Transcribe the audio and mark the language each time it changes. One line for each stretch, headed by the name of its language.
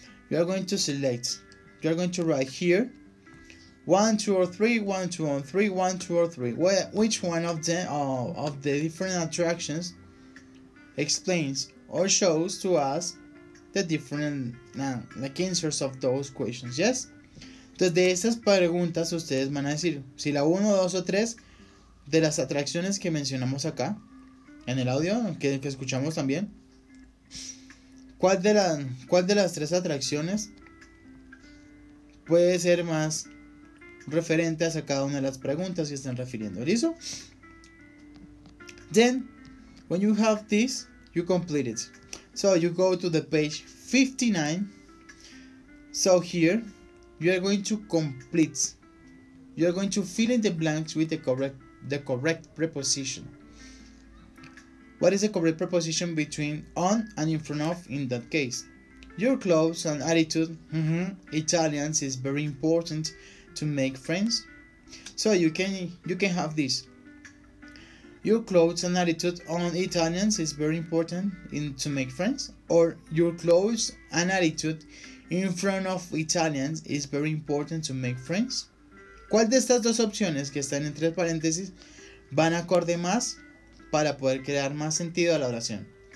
English: You are going to select, you are going to write here, 1, 2, or 3, 1, 2, or 3, 1, 2, or 3. Which one of them, of the different attractions explains or shows to us the different like answers of those questions, yes?
Spanish: Entonces, de esas preguntas, ustedes van a decir si la 1, 2 o 3 de las atracciones que mencionamos acá, en el audio que escuchamos también, ¿cuál de las 3 atracciones puede ser más referente a cada una de las preguntas que están refiriendo? ¿Listo?
English: Then, when you have this, you complete it. So, you go to the page 59. So, here, you are going to complete. You are going to fill in the blanks with the correct preposition. What is the correct preposition between on and in front of in that case? Your clothes and attitude. Italians is very important to make friends. So you can have this. Your clothes and attitude on Italians is very important in to make friends. Or your clothes and attitude in front of Italians is very important to make friends.
Spanish: ¿Cuál de estas dos opciones que están entre paréntesis van acorde más para poder crear más sentido a la oración?